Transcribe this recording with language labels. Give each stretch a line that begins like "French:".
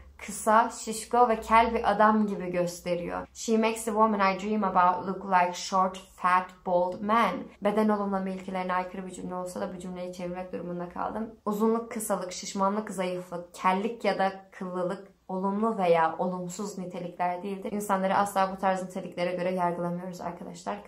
Turkish: Kısa, şişko ve kel bir adam gibi gösteriyor.
English: She makes the woman I dream about look like short, fat, bald man.
Turkish: Beden olumlama ilkelerine aykırı bir cümle olsa da bu cümleyi çevirmek durumunda kaldım. Uzunluk, kısalık, şişmanlık, zayıflık, kellik ya da kıllılık olumlu veya olumsuz nitelikler değildir. İnsanları asla bu tarz niteliklere göre yargılamıyoruz arkadaşlar.